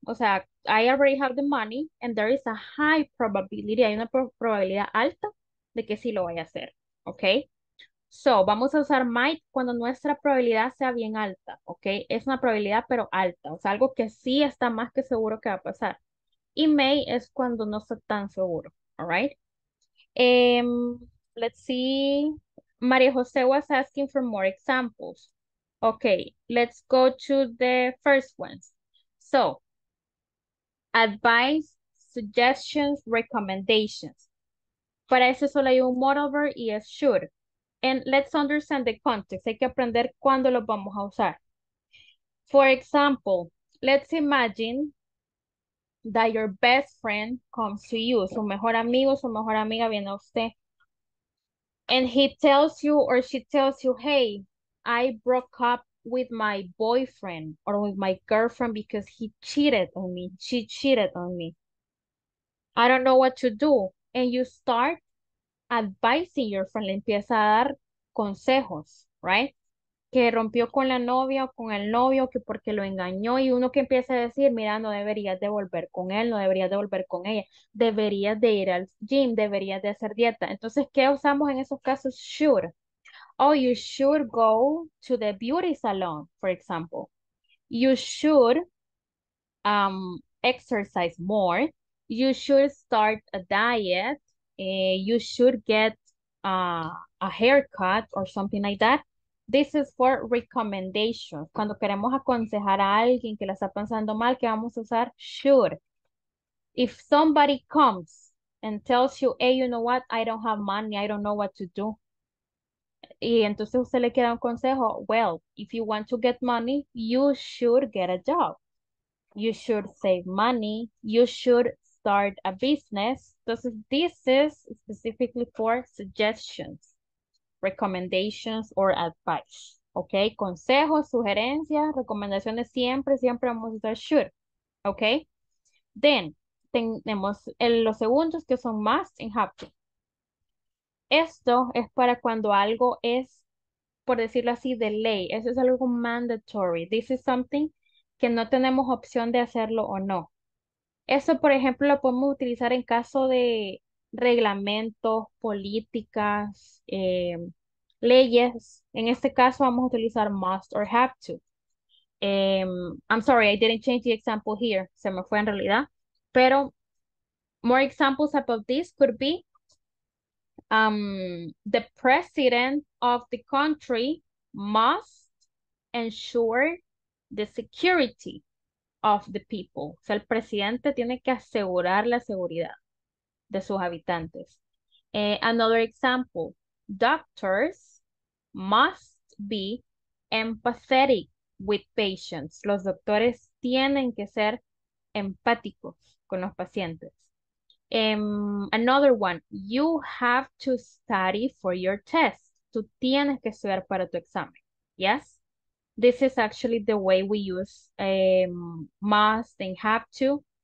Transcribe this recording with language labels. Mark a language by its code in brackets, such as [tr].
[en] O sea, I already have the money, and there is a high probability, [es] hay una probabilidad alta de que sí lo vaya a hacer, [en] ¿ok? [es] So, vamos a usar might cuando nuestra probabilidad sea bien alta, ¿ok? Es una probabilidad, pero alta. O sea, algo que sí está más que seguro que va a pasar. Y may es cuando no está tan seguro, ¿all right? [en] Let's see. María José was asking for more examples. Okay, let's go to the first ones. So, advice, suggestions, recommendations. [es] Para eso solo hay un moreover y es should. [en] And let's understand the context. [es] Hay que aprender cuándo lo vamos a usar. [en] For example, let's imagine that your best friend comes to you. [es] Su mejor amigo, su mejor amiga viene a usted. [en] And he tells you or she tells you, hey, I broke up with my boyfriend or with my girlfriend because he cheated on me. She cheated on me. I don't know what to do. And you start advising your friend. [es] Le empieza a dar consejos, right? Que rompió con la novia o con el novio, que porque lo engañó. Y uno que empieza a decir, mira, no deberías de volver con él, no deberías de volver con ella. Deberías de ir al gym, deberías de hacer dieta. Entonces, ¿qué usamos en esos casos? [en] Should. Oh, you should go to the beauty salon, for example. You should exercise more. You should start a diet. You should get a haircut or something like that. This is for recommendation. [es] Cuando queremos aconsejar a alguien que la está pensando mal, que vamos a usar should. [en] If somebody comes and tells you, hey, you know what? I don't have money. I don't know what to do. [es] Y entonces usted le queda un consejo. [en] Well, if you want to get money, you should get a job. You should save money. You should start a business. Entonces, this is specifically for suggestions, recommendations, or advice. Okay? [es] Consejos, sugerencias, recomendaciones, siempre, siempre vamos a usar should. Okay? Then, tenemos los segundos que son must and have to. Esto es para cuando algo es, por decirlo así, de ley. Eso es algo mandatory. [en] This is something [es] que no tenemos opción de hacerlo o no. Eso, por ejemplo, lo podemos utilizar en caso de reglamentos, políticas, leyes. En este caso vamos a utilizar must or have to. [en] I'm sorry, I didn't change the example here. [es] Se me fue en realidad. [en] Pero more examples about this could be the president of the country must ensure the security of the people. [es] O sea, el presidente tiene que asegurar la seguridad de sus habitantes. [en] Another example, doctors must be empathetic with patients. [es] Los doctores tienen que ser empáticos con los pacientes. [en] Another one, you have to study for your test. [es] Tú tienes que estudiar para tu examen. [en] Yes? This is actually the way we use must and have to.